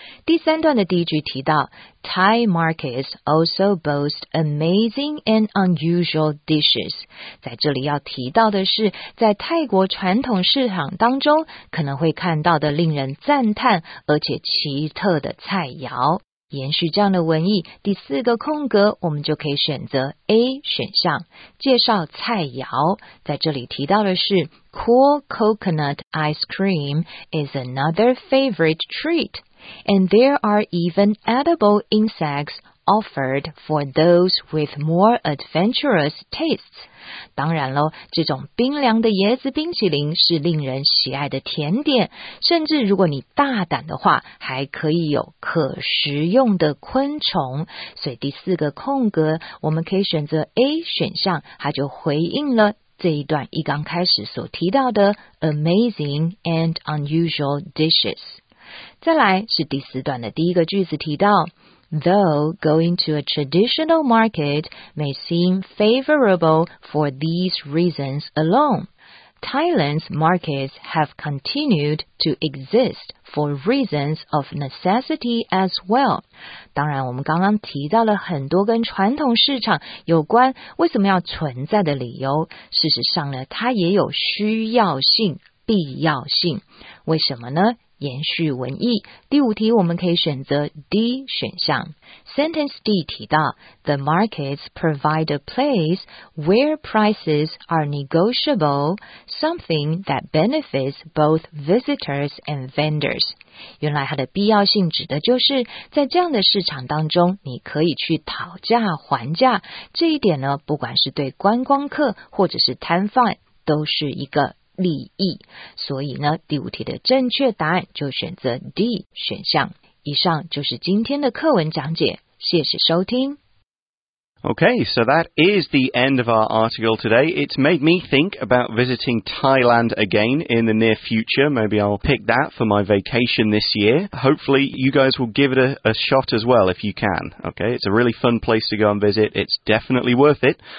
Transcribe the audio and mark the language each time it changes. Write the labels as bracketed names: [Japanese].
[Chinese] 第三段的第一句提到 Thai markets also boast amazing and unusual dishes，在这里要提到的是在泰国传统市场当中可能会看到的令人赞叹而且奇特的菜肴。延续这样的文意，第四个空格我们就可以选择 A 选项，介绍菜肴。 [English] 在这里提到的是 Cool coconut ice cream is another favorite treat， And there are even edible insects offered for those with more adventurous tastes。 [Chinese] 当然咯，这种冰凉的椰子冰淇淋是令人喜爱的甜点，甚至如果你大胆的话，还可以有可食用的昆虫。所以第四个空格我们可以选择 A 选项，它就回应了这一段一刚开始所提到的 amazing and unusual dishes。 [English] 再来是第四段的第一个句子提到 Though going to a traditional market may seem favorable for these reasons alone, Thailand's markets have continued to exist for reasons of necessity as well. [Chinese] 当然我们刚刚提到了很多跟传统市场有关为什么要存在的理由，事实上呢，它也有需要性、必要性。为什么呢？延续文意，第五题我们可以选择 D 选项。 [English] Sentence D 提到 The markets provide a place where prices are negotiable, something that benefits both visitors and vendors。 [Chinese] 原来它的必要性指的就是在这样的市场当中你可以去讨价还价，这一点呢，不管是对观光客或者是摊贩都是一个利益。所以呢，第五题的正确答案就选择 D 选项。以上就是今天的课文讲解，谢谢收听。 [English] Okay, so that is the end of our article today. It's made me think about visiting Thailand again in the near future. Maybe I'll pick that for my vacation this year. Hopefully you guys will give it a shot as well if you can. Okay, it's a really fun place to go and visit. It's definitely worth it.